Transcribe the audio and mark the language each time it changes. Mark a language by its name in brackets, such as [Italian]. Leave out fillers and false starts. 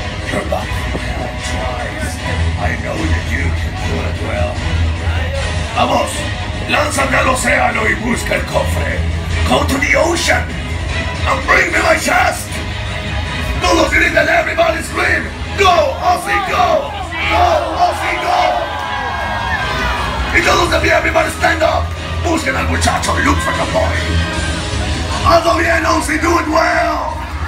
[English] You're about to fail twice. I know that you can do it well. [Spanish] Vamos, lánzate al océano y busca el cofre. [English] Go to the ocean and bring me my chest. [Spanish] Todos griten, [English] everybody scream. Go, Aussie, go. Go, Aussie, go. [Spanish] Y todos de pie, [English] everybody stand up. [Spanish] Busquen al muchacho, [English] look for the boy. [Spanish] Hazlo bien, [English] Aussie, do it well.